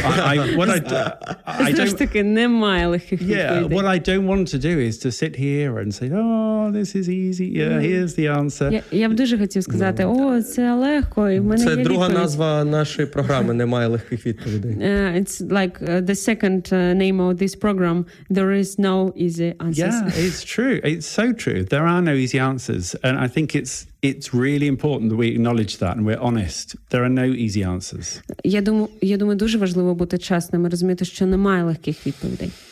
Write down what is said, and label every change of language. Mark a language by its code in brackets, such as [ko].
[en] What I don't want to do is to sit here and say, "Oh, this is easy. Yeah, here's the answer." [uk] Я б дуже хотів сказати, о, це легко, і в мене є відповідь. Це друга назва нашої програми, немає легких відповідей. [en] It's like the second name of this program, there is no easy answers. Yeah, it's true. It's so true. There are no easy answers, and I think it's really important that we acknowledge that and we're honest. There are no easy answers. [uk] Я думаю, дуже важливо бути чесним і розуміти, що немає легких відповідей.